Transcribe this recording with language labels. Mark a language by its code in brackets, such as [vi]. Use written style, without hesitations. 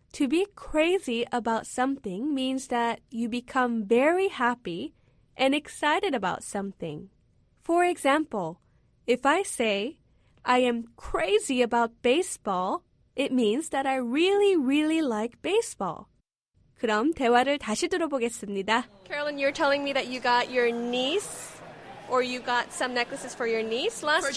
[en] To be crazy about something means that you become very happy and excited about something. For example, if I say I am crazy about baseball, it means that I really, really like baseball. [ko] 그럼 대화를 다시 들어보겠습니다. [en] Carolyn, you're telling me that you got your niece or you got some necklaces for your niece last